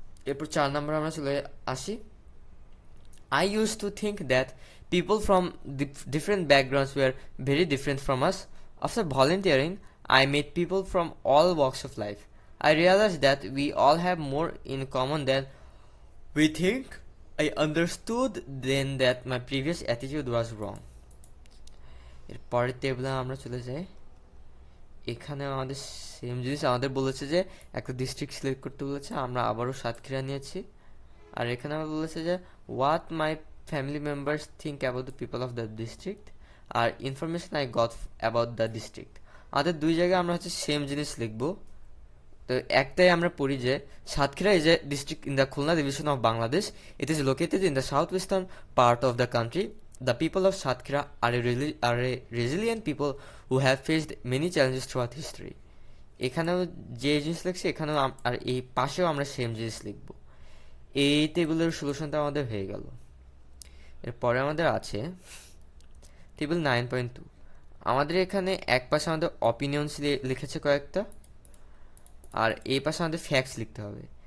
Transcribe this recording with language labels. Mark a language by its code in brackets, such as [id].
[bn] এরপর 4 নম্বরে আমরা চলে আসি। [en] I used to think that people from different backgrounds were very different from us. After volunteering, I met people from all walks of life. I realized that we all have more in common than we think. I understood then that my previous attitude was wrong. [bn] এরপরের টেবিলে আমরা চলে যাই। এখানে আমাদের same জিনিস, আমাদের বলেছে যে একটা ডিস্ট্রিক্ট সিলেক্ট করতে বলেছে, আমরা আবারও সাতক্ষীরা নিয়েছি। আর এখানে আমরা বলেছে যে [en] What my family members think about the people of the district, আর information I got about the district. [bn] আমাদের দুই জায়গায় আমরা হচ্ছে সেম জিনিস লিখবো। তো একটাই আমরা পড়ি যে [en] Satkhira is a district in the Khulna division of Bangladesh. It is located in the south western part of the country. The people of Satkhira are a resilient people who have faced many challenges throughout history. [bn] এখানেও যে জিনিস লিখছে, এখানেও আর এই পাশেও আমরা same জিনিস লিখব। এই টেবিলের সলিউশনটা আমাদের হয়ে গেল। এরপরে আমাদের আছে টেবিল 9.2। আমাদের এখানে এক পাশে আমাদের অপিনিয়নস লিখেছে কয়েকটা, আর এই পাশে আমাদের ফ্যাক্টস লিখতে হবে।